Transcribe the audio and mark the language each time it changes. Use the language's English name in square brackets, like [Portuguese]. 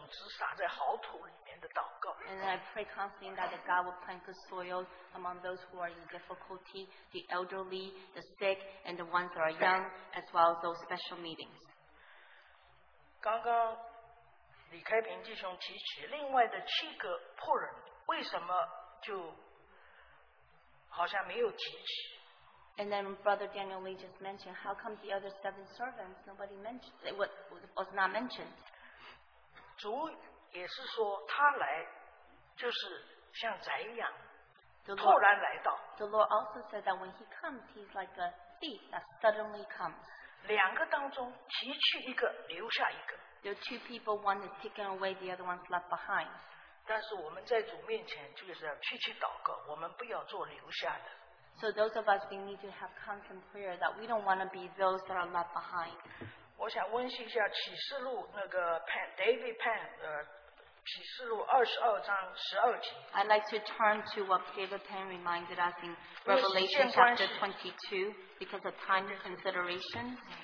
[Chinese] 各方面青年弟兄姐妹们的特会，怎么样主继续把种子撒在好土里面的祷告。 [English] And I pray constantly that God will plant good soil among those who are in difficulty, the elderly, the sick, and the ones that are young, as well as those special meetings. [Chinese] 刚刚李开平弟兄提起另外的七个仆人，为什么就好像没有提起？ [English] And then Brother Daniel Lee just mentioned, how come the other seven servants, nobody mentioned, was not mentioned? [Chinese] 主也是说,他来,就是像宅一样,突然来到。 [English] The Lord also said that when he comes, he's like a thief that suddenly comes. [Chinese] 两个当中,提去一个,留下一个。 [English] There are two people, one is taken away, the other one's left behind. [Chinese] 但是我们在主面前,就是要去祷告,我们不要做留下的。 [English] So those of us, we need to have constant prayer that we don't want to be those that are left behind. [Chinese] 我想温习一下启示录那个 Pan, David Pan 启示录二十二章十二节。 [English] I'd like to turn to what David Pan reminded us in Revelation chapter 22 because of time consideration.